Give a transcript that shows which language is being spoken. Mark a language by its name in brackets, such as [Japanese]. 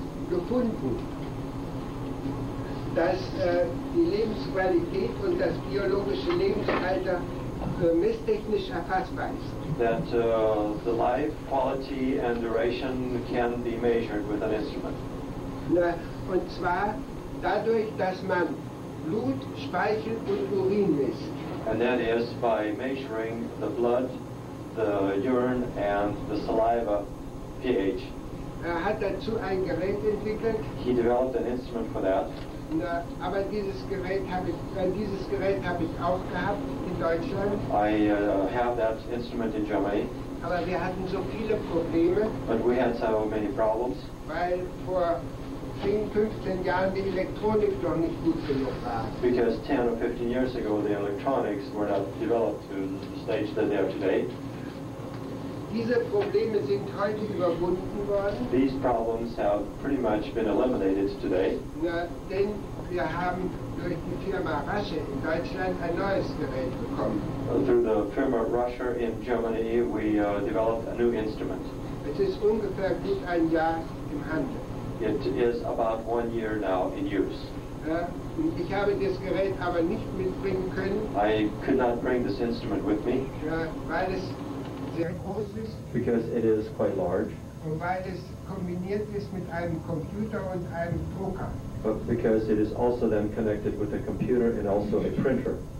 [German] gefunden, dass die Lebensqualität und das biologische Lebensalter messtechnisch erfassbar ist. [English] That the life quality and duration can be measured with an instrument. [German] Und zwar dadurch, dass man Blut, Speichel und Urin misst. [English] And that is by measuring the blood, the urine and the saliva pH. [German] Er hat dazu ein Gerät entwickelt. [English] He developed an instrument for that. [German] Aber dieses Gerät habe ich auch gehabt in Deutschland. [English] I have that instrument in Germany. [German] Aber wir hatten so viele Probleme. [English] But we had so many problems. [German] Weil vor 10, 15 Jahren die Elektronik noch nicht gut genug war. [English] Because 10 or 15 years ago the electronics were not developed to the stage that they are today. [German] Diese Probleme sind heute überwunden worden. [English] These problems have pretty much been eliminated today. [German] Denn wir haben durch die Firma Rasche in Deutschland ein neues Gerät bekommen. [English] Through the firm of Rasche in Germany, we developed a new instrument. [German] Es ist ungefähr gut ein Jahr im Handel. [English] It is about 1 year now in use. [German] Ich habe das Gerät aber nicht mitbringen können. [English] I could not bring this instrument with me. [German] Weil es sehr groß ist. [English] Because it is quite large. [German] Und weil es kombiniert ist mit einem Computer und einem Drucker. [English] But because it is also then connected with a computer and also a printer.